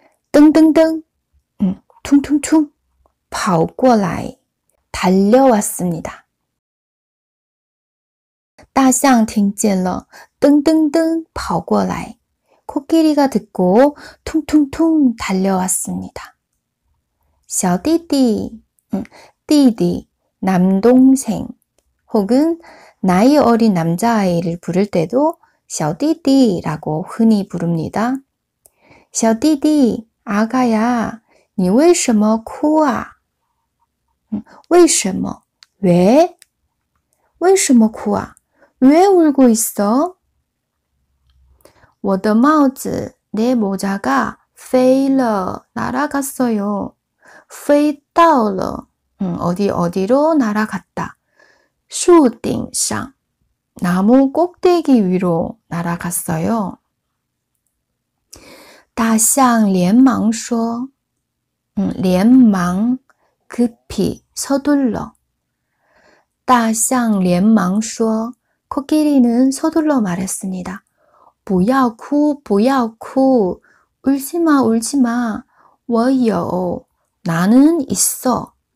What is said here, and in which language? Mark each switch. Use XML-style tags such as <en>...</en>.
<ko>噔噔噔, 퉁퉁퉁,</ko> <zh>跑过来,</zh> <ko>달려왔습니다.</ko> <zh>大象听见了, 噔噔噔, 跑过来,</zh> <ko>코끼리가 듣고 퉁퉁퉁 달려왔습니다. 小弟弟, 弟弟, 남동생, 혹은 나이 어린 남자아이를 부를 때도 小弟弟라고 흔히 부릅니다.</ko> <zh>小弟弟, 아가야, 你为什么哭啊? 为什么?왜? 为什么哭啊?</zh> <ko>왜 울고 있어?</ko> <zh>我的帽子,</zh> <ko>내 모자가</ko> <zh>飞了,</zh> <ko>날아갔어요.</ko> <zh>飞到了,</zh> <ko>어디 어디로 날아갔다.</ko> <zh>树顶上,</zh> <ko>나무 꼭대기 위로 날아갔어요.</ko> <zh>大象连忙说, 连忙,</zh> <ko>급히, 서둘러.</ko> <zh>大象连忙说,</zh> <ko>코끼리는 서둘러 말했습니다.</ko> <zh>不要哭, 不要哭,</zh> <ko>울지마, 울지마.</ko> <zh>我有,</zh> <ko>나는 있어.</ko>